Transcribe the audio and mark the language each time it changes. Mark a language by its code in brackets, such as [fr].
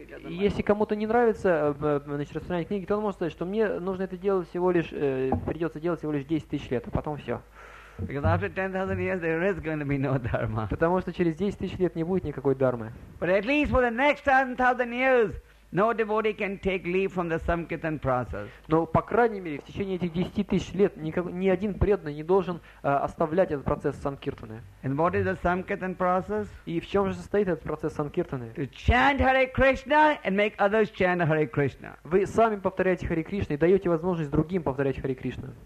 [ru] Если кому-то не нравится распространять книги, то он может сказать, что мне нужно это делать всего лишь, придется делать всего лишь 10 тысяч лет, а потом все. [en] Because after 10,000 years there is going to be no dharma. [ru] Потому что через 10 тысяч лет не будет никакой дармы. [en] But at least for the next 10,000 years, no devotee can take leave from the samkirtan process. [ru] Но по крайней мере в течение этих 10 тысяч лет ни один преданный не должен оставлять этот процесс санкиртаны. [en] And what is the samkirtan process? [ru] И в чем же состоит этот процесс санкиртаны? [en] To chant Hare Krishna and make others chant Hare Krishna. [ru] Вы сами повторяете Хари Кришна и даете возможность другим повторять Хари Кришна.